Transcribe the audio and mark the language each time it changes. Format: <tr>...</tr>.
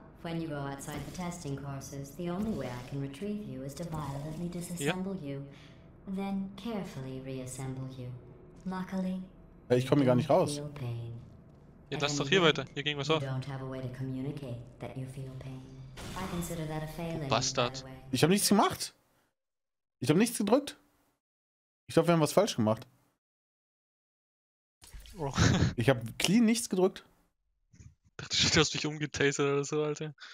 <en>When you go outside the testing courses, the only way I can retrieve you is to violently disassemble you, then carefully reassemble you. Luckily.</en> <de>Ich komme hier gar nicht raus. Ja, lass doch hier weiter. Hier ging was auf.</de> <en>Don't have a way to communicate that you feel pain. I consider that a failing. Bastard.</en> <de>Ich habe nichts gemacht. Ich habe nichts gedrückt. Ich glaube, wir haben was falsch gemacht. Oh. Ich habe clean nichts gedrückt. Ich dachte, du hast mich umgetasert oder so, Alter.</de>